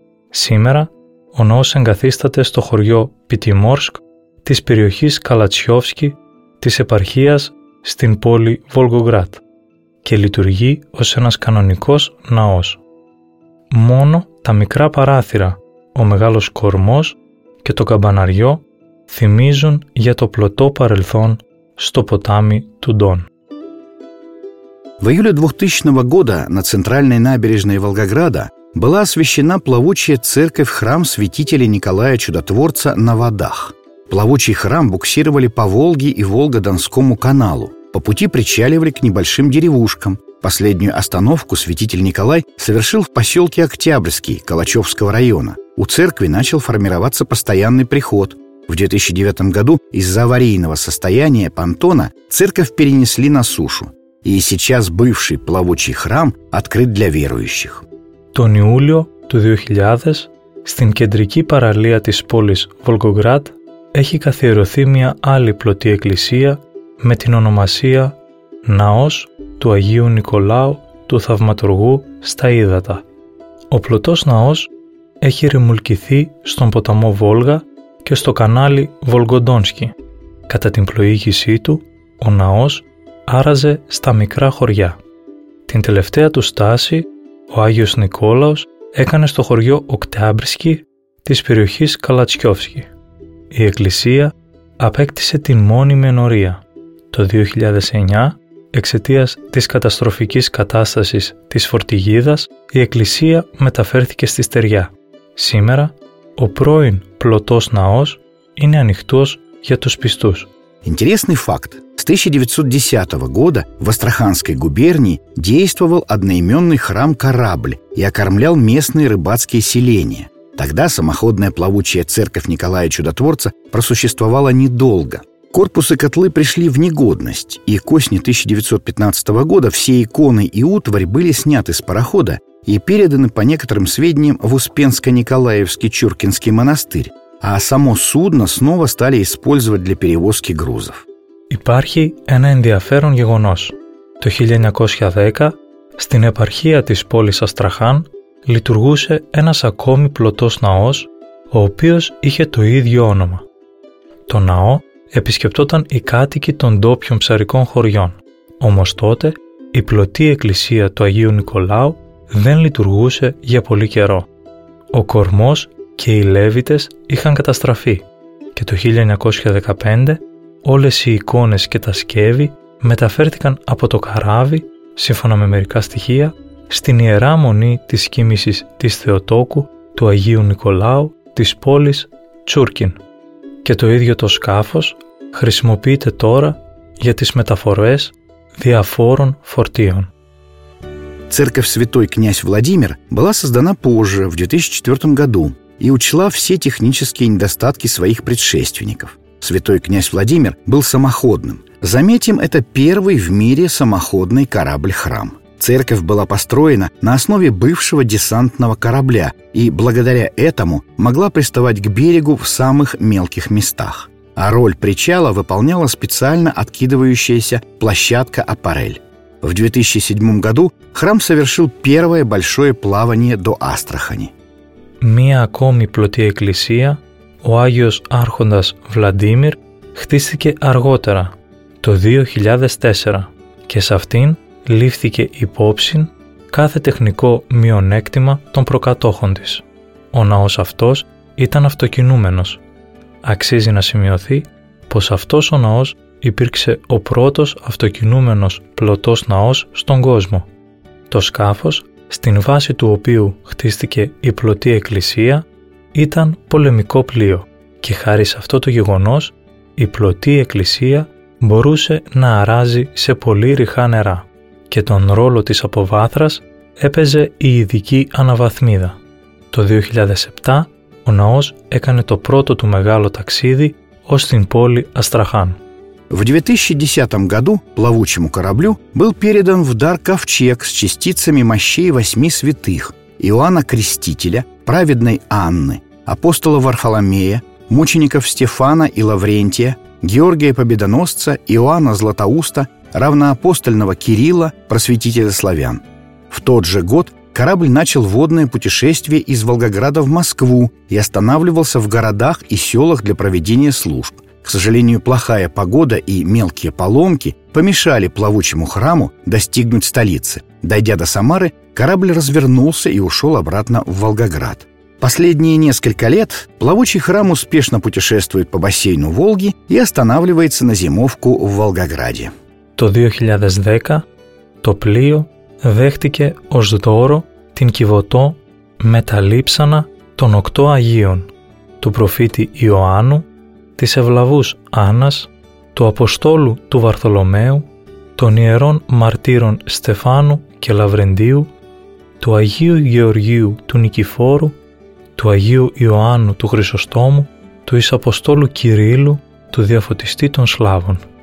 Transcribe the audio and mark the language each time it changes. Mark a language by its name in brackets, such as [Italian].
[Greek] Σήμερα, ο ναός εγκαθίσταται στο χωριό Πιτιμόρσκ της περιοχής Καλατσιόφσκι της επαρχίας στην πόλη Βολγκογράτ και λειτουργεί ως ένας κανονικός ναός. Μόνο τα μικρά παράθυρα, ο μεγάλος κορμός και το καμπαναριό θυμίζουν για το πλωτό παρελθόν στο ποτάμι του Ντόν. [Russian] В июле 2000 года на центральной набережной Волгограда была освящена плавучая церковь-храм святителя Николая Чудотворца на водах. Плавучий храм буксировали по Волге и Волго-Донскому каналу. По пути причаливали к небольшим деревушкам. Последнюю остановку святитель Николай совершил в поселке Октябрьский Калачевского района. У церкви начал формироваться постоянный приход. В 2009 году из-за аварийного состояния понтона церковь перенесли на сушу. И сейчас бывший плавучий храм открыт для верующих. [Greek] Τον Ιούλιο του 2000, στην κεντρική παραλία της πόλης Βολγκογράτ, έχει καθιερωθεί μια άλλη πλωτή εκκλησία με την ονομασία «Ναός του Αγίου Νικολάου του Θαυματουργού στα Ύδατα». Ο πλωτός ναός έχει ρημουλκηθεί στον ποταμό Βόλγα και στο κανάλι Βολγκοντόνσκι. Κατά την πλοήγησή του, ο ναός άραζε στα μικρά χωριά. Την τελευταία του στάση, ο Άγιος Νικόλαος έκανε στο χωριό Οκτάμπρισκι της περιοχής Καλατσιόφσκι. Η εκκλησία απέκτησε την μόνιμη ενορία. Το 2009, εξαιτίας της καταστροφικής κατάστασης της φορτηγίδας, η εκκλησία μεταφέρθηκε στη στεριά. Σήμερα, ο πρώην πλωτός ναός είναι ανοιχτός για τους πιστούς. [Russian] Интересный факт. С 1910 года в Астраханской губернии действовал одноименный храм «Корабль» и окормлял местные рыбацкие селения. Тогда самоходная плавучая церковь Николая Чудотворца просуществовала недолго. Корпус и котлы пришли в негодность, и к осени 1915 года все иконы и утварь были сняты с парохода и переданы, по некоторым сведениям, в Успенско-Николаевский Чуркинский монастырь, а само судно снова стали использовать для перевозки грузов. [Greek] Υπάρχει ένα ενδιαφέρον γεγονός. Το 1910, στην επαρχία της πόλης Αστραχάν, λειτουργούσε ένας ακόμη πλωτός ναός, ο οποίος είχε το ίδιο όνομα. Το ναό επισκεπτόταν οι κάτοικοι των ντόπιων ψαρικών χωριών. Όμως τότε, η πλωτή εκκλησία του Αγίου Νικολάου δεν λειτουργούσε για πολύ καιρό. Ο κορμός και οι λέβητες είχαν καταστραφεί και το 1915, όλες οι εικόνες και τα σκεύη μεταφέρθηκαν από το καράβι, σύμφωνα με μερικά στοιχεία, στην Ιερά Μονή της Κοίμησης της Θεοτόκου του Αγίου Νικολάου της πόλης Τσούρκιν. Και το ίδιο το σκάφος χρησιμοποιείται τώρα για τις μεταφορές διαφόρων φορτίων. [Russian] Церковь Святой Князь Владимир была создана позже, в 2004 году, и учла все технические недостатки своих предшественников. Святой князь Владимир был самоходным. Заметим, это первый в мире самоходный корабль-храм. Церковь была построена на основе бывшего десантного корабля и благодаря этому могла приставать к берегу в самых мелких местах. а роль причала выполняла специально откидывающаяся площадка аппарель. В 2007 году храм совершил первое большое плавание до Астрахани. [Greek] Мия акоми плоти эклесия, у Агиос Архондас Владимир, хтистике арготера, то 2004, και σε αυτήν λήφθηκε υπόψην κάθε τεχνικό μειονέκτημα των προκατόχων της. Ο ναός αυτός ήταν αυτοκινούμενος. Αξίζει να σημειωθεί πως αυτός ο ναός υπήρξε ο πρώτος αυτοκινούμενος πλωτός ναός στον κόσμο. Το σκάφος, στην βάση του οποίου χτίστηκε η πλωτή εκκλησία, ήταν πολεμικό πλοίο και χάρη σε αυτό το γεγονός η πλωτή εκκλησία μπορούσε να αράζει σε πολύ ρηχά νερά και τον ρόλο της αποβάθρας έπαιζε η ειδική αναβαθμίδα. Το 2007 ο ναός έκανε το πρώτο του μεγάλο ταξίδι ως την πόλη Αστραχάν. [Russian] В 2010 году плавучему кораблю был передан в дар ковчег с частицами мощей восьми святых Иоанна Крестителя, праведной Анны, апостола Варфоломея, мучеников Стефана и Лаврентия, Георгия Победоносца, Иоанна Златоуста, равноапостольного Кирилла, просветителя славян. В тот же год корабль начал водное путешествие из Волгограда в Москву и останавливался в городах и селах для проведения служб. К сожалению, плохая погода и мелкие поломки помешали плавучему храму достигнуть столицы. Дойдя до Самары, корабль развернулся и ушел обратно в Волгоград. Последние несколько лет плавучий храм успешно путешествует по бассейну Волги и останавливается на зимовку в Волгограде. [Greek] Το 2010 το πλοίο δέχτηκε ως δώρο την κιβωτό με τα λείψανα των οκτώ Αγίων, του προφήτη Ιωάννου, της Ευλαβούς Άννας, του Αποστόλου του Βαρθολομαίου, των Ιερών Μαρτύρων Στεφάνου και Λαβρεντίου, του Αγίου Γεωργίου του Νικηφόρου, του Αγίου Ιωάννου του Χρυσοστόμου, του Ισαποστόλου Κυρίλου, του Διαφωτιστή των Σλάβων.